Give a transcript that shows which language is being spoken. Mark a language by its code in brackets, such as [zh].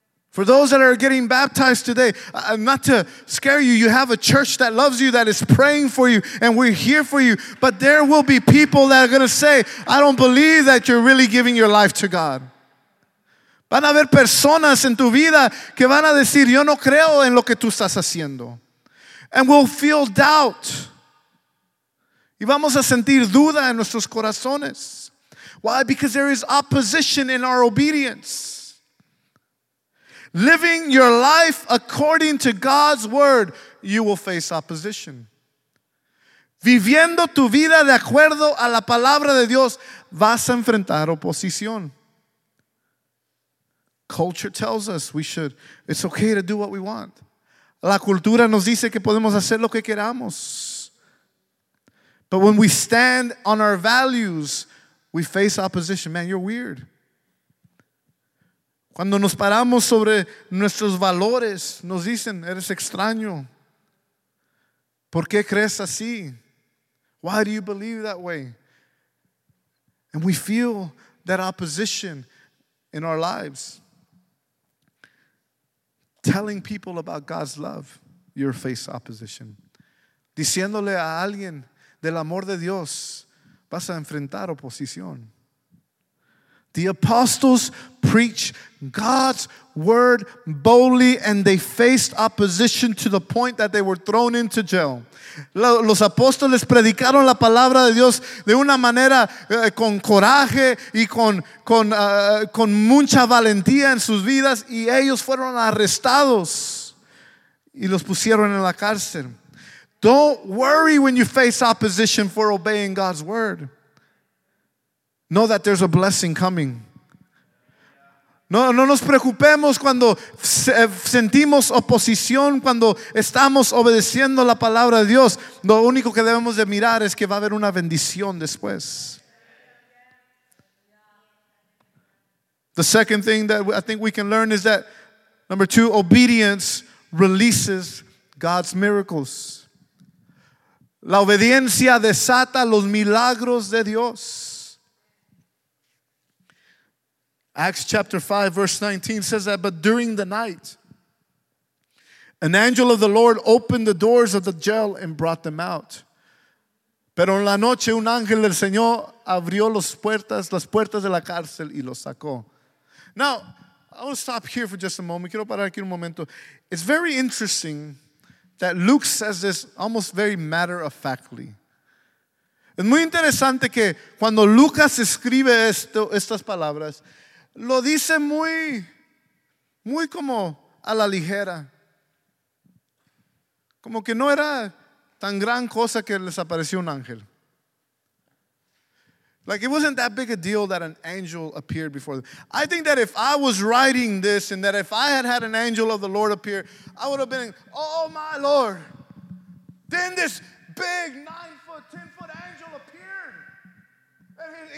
[en] For those that are getting baptized today, not to scare you, you have a church that loves you, that is praying for you, and we're here for you. But there will be people that are going to say, I don't believe that you're really giving your life to God. [es] Van a haber personas en tu vida que van a decir, yo no creo en lo que tú estás haciendo. [en] And we'll feel doubt. [es] Y vamos a sentir duda en nuestros corazones. [en] Why? Because there is opposition in our obedience. Living your life according to God's word, you will face opposition. [es] Viviendo tu vida de acuerdo a la palabra de Dios, vas a enfrentar oposición. [en] Culture tells us we should, it's okay to do what we want. [es] La cultura nos dice que podemos hacer lo que queramos. [en] But when we stand on our values, we face opposition. Man, you're weird. [es] Cuando nos paramos sobre nuestros valores, nos dicen, eres extraño. ¿Por qué crees así? [en] Why do you believe that way? And we feel that opposition in our lives. Telling people about God's love, you face opposition. [es] Diciéndole a alguien del amor de Dios, vas a enfrentar oposición. [en] The apostles preach God's word boldly and they faced opposition to the point that they were thrown into jail. [es] Los apóstoles predicaron la palabra de Dios de una manera con coraje y con mucha valentía en sus vidas y ellos fueron arrestados y los pusieron en la cárcel. [en] Don't worry when you face opposition for obeying God's word. Know that there's a blessing coming. [es] No nos preocupemos cuando sentimos oposición, cuando estamos obedeciendo la palabra de Dios. Lo único que debemos de mirar es que va a haber una bendición después. [en] The second thing that I think we can learn is that, number two, obedience releases God's miracles. [es] La obediencia desata los milagros de Dios. [en] Acts chapter 5 verse 19 says that, but during the night, an angel of the Lord opened the doors of the jail and brought them out. [es] Pero en la noche un ángel del Señor abrió las puertas de la cárcel y los sacó. [en] Now, I want to stop here for just a moment. [es] Quiero parar aquí un momento. [en] It's very interesting that Luke says this almost very matter-of-factly. [es] Es muy interesante que cuando Lucas escribe estas palabras, lo dice muy, muy como a la ligera. Como que no era tan gran cosa que les apareció un ángel. [en] Like it wasn't that big a deal that an angel appeared before them. I think that if I was writing this and that if I had had an angel of the Lord appear, I would have been, oh my Lord. Then this big 9-foot, 10-foot angel appeared.